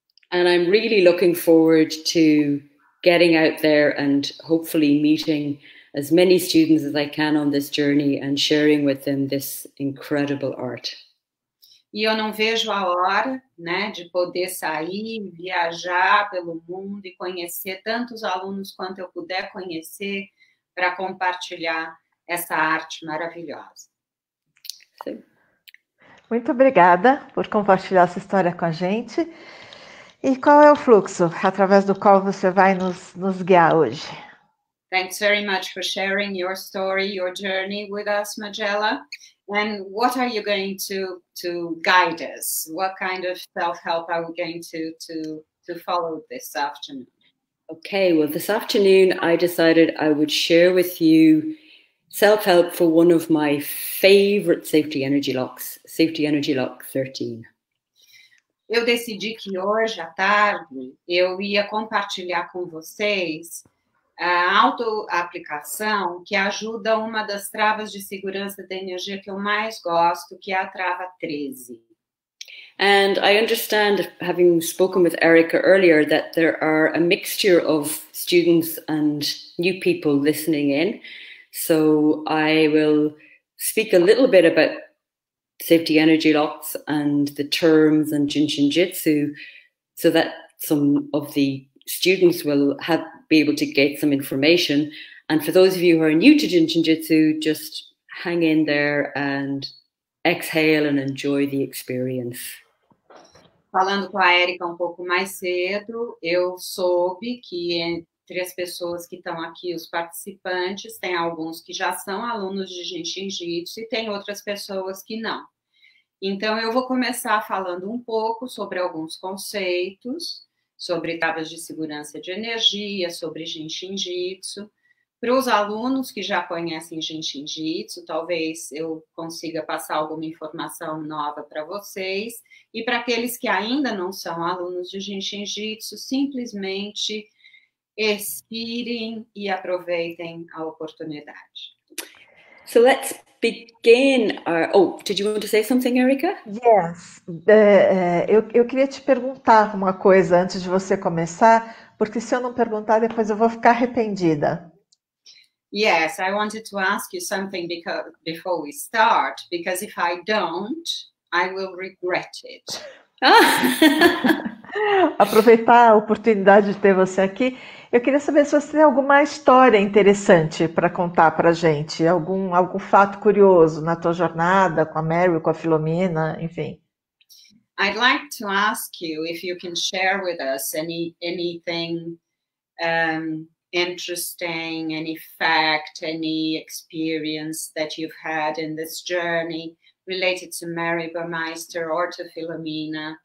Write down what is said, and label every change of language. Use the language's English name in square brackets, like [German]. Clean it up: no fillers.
[English] And I'm really looking forward to getting out there and hopefully meeting as many students as I can on this journey and sharing with them this incredible art. [Portuguese] E eu não vejo a hora, né, de poder sair, viajar pelo mundo e conhecer tantos alunos quanto eu puder conhecer para compartilhar essa arte maravilhosa. Muito obrigada por compartilhar essa história com a gente. E qual é o fluxo através do qual você vai nos guiar hoje? [English] Thanks very much for sharing your story, your journey with us, Majella. And what are you going to guide us? What kind of self-help are we going to follow this afternoon? Okay, well, this afternoon I decided I would share with you self-help for one of my favorite safety energy locks, Safety Energy Lock 13. [Portuguese] Eu decidi que hoje à tarde eu ia compartilhar com vocês a auto-aplicação que ajuda uma das travas de segurança da energia que eu mais gosto, que é a trava 13. [English] And I understand, having spoken with Erica earlier, that there are a mixture of students and new people listening in. So I will speak a little bit about safety energy locks and the terms and Jin Shin Jyutsu so that some of the students will be able to get some information. And for those of you who are new to Jin Shin Jyutsu, just hang in there and exhale and enjoy the experience. [Portuguese] Falando com a Erika um pouco mais cedo, eu soube que entre as pessoas que estão aqui, os participantes, tem alguns que já são alunos de Jin Shin Jyutsu e tem outras pessoas que não. Então, eu vou começar falando um pouco sobre alguns conceitos, sobre travas de segurança de energia, sobre Jin Shin Jyutsu. Para os alunos que já conhecem Jin Shin Jyutsu, talvez eu consiga passar alguma informação nova para vocês. E para aqueles que ainda não são alunos de Jin Shin Jyutsu, simplesmente expirem e aproveitem a oportunidade. [English] So let's begin our. Oh, did you want to say something, Erica? [Portuguese] Yes, eu queria te perguntar uma coisa antes de você começar, porque se eu não perguntar, depois eu vou ficar arrependida. [English] Yes, I wanted to ask you something before we start, because if I don't, I will regret it. [Portuguese] Aproveitar a oportunidade de ter você aqui, eu queria saber se você tem alguma história interessante para contar para a gente, algum fato curioso na tua jornada com a Mary, com a Filomena, enfim. [English] I'd like to ask you if you can share with us anything interesting, any fact, any experience that you've had in this journey related to Mary Burmeister or to Filomena.